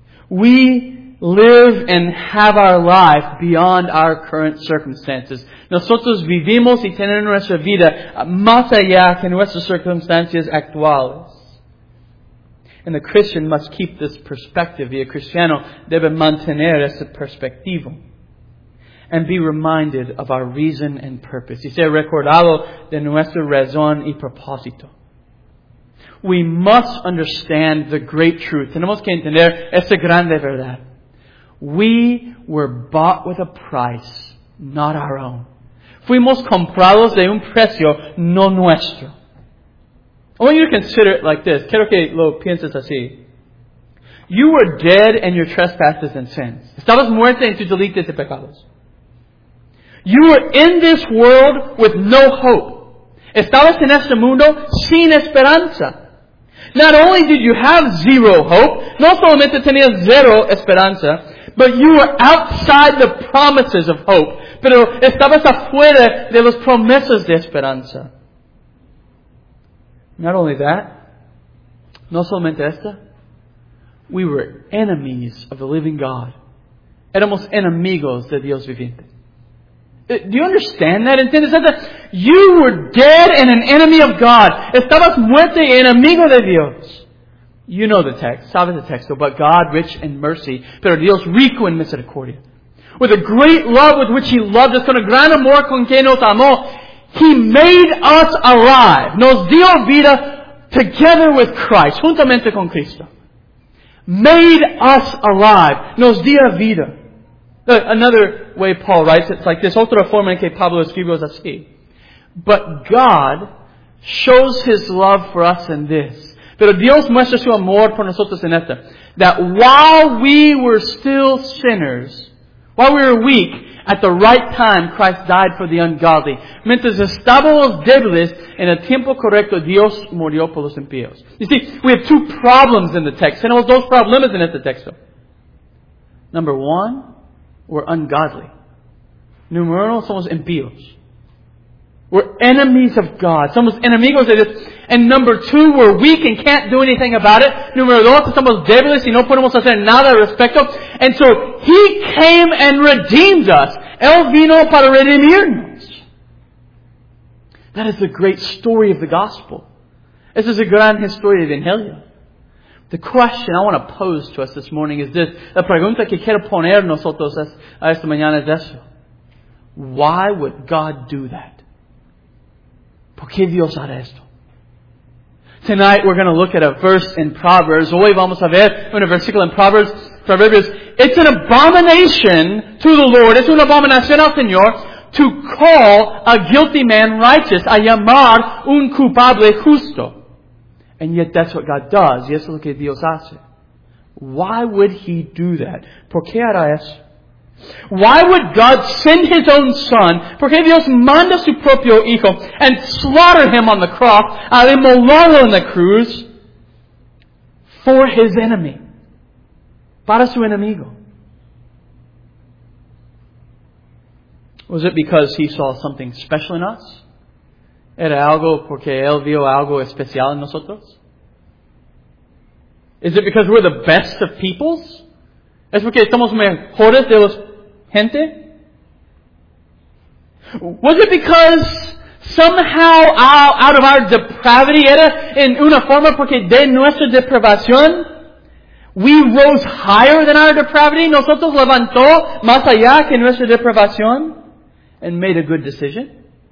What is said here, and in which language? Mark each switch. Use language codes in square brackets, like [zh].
[en] We live and have our life beyond our current circumstances. [es] Nosotros vivimos y tenemos nuestra vida más allá que nuestras circunstancias actuales. [en] And the Christian must keep this perspective. [es] Y el cristiano debe mantener esa perspectiva. [en] And be reminded of our reason and purpose. [es] Y ser recordado de nuestra razón y propósito. [en] We must understand the great truth. [es] Tenemos que entender esa grande verdad. [en] We were bought with a price, not our own. [es] Fuimos comprados de un precio no nuestro. [en] I want you to consider it like this. [es] Quiero que lo pienses así. [en] You were dead in your trespasses and sins. [es] Estabas muerto en tus delitos y pecados. [en] You were in this world with no hope. [es] Estabas en este mundo sin esperanza. [en] Not only did you have zero hope, [es] no solamente tenías zero esperanza, [en] but you were outside the promises of hope. [es] Pero estabas afuera de las promesas de esperanza. [en] Not only that, [es] no solamente esta, [en] we were enemies of the living God. [es] Éramos enemigos de Dios viviente. [en] Do you understand that? [es] ¿Entiendes eso? [en] You were dead and an enemy of God. [es] Estabas muerto y enemigo de Dios. [en] You know the text. [es] Sabes el texto. [en] But God, rich in mercy, [es] pero Dios rico en misericordia. [en] With a great love with which He loved us, [es] con el gran amor con que nos amó, [en] He made us alive. [es] Nos dio vida [en] together with Christ, [es] juntamente con Cristo. [en] Made us alive. [es] Nos dio vida. [en] Another way Paul writes, it's like this. [es] Otra forma en que Pablo escribió es así. [en] But God shows His love for us in this. [es] Pero Dios muestra su amor por nosotros en esta. [en] That while we were still sinners, while we were weak, at the right time, Christ died for the ungodly. [es] Mientras estábamos débiles, en el tiempo correcto, Dios murió por los impíos. [en] You see, we have two problems in the text. [es] Tenemos dos problemas en este texto. [en] Number one, we're ungodly. [es] Número uno, somos impíos. [en] We're enemies of God. [es] Somos enemigos de Dios. [en] And number two, we're weak and can't do anything about it. [es] Número dos, somos débiles y no podemos hacer nada al respecto. [en] And so, He came and redeemed us. [es] Él vino para redimirnos. [en] That is the great story of the gospel. This is a grand [es] historia de Evangelio. [en] The question I want to pose to us this morning is this. [es] La pregunta que quiero poner nosotros a esta mañana es eso. [en] Why would God do that? [es] ¿Por qué Dios hará esto? [en] Tonight we're going to look at a verse in Proverbs. [es] Hoy vamos a ver un versículo en Proverbs. [en] Proverbs, it's an abomination to the Lord. [es] Es una abominación al Señor [en] to call a guilty man righteous. [es] A llamar un culpable justo. [en] And yet that's what God does. [es] Y eso es lo que Dios hace. [en] Why would He do that? [es] ¿Por qué hará esto? [en] Why would God send His own Son? [es] Porque Dios manda su propio Hijo [en] and slaughter Him on the cross, [es] al inmolarlo en la cruz, [en] for His enemy. [es] Para su enemigo. [en] Was it because He saw something special in us? [es] ¿Era algo porque Él vio algo especial en nosotros? [en] Is it because we're the best of peoples? [es] ¿Es porque estamos mejores de los gente? [en] Was it because somehow out of our depravity, [es] era en una forma porque de nuestra depravación, [en] we rose higher than our depravity, [es] nosotros levantó más allá que nuestra depravación, [en] and made a good decision?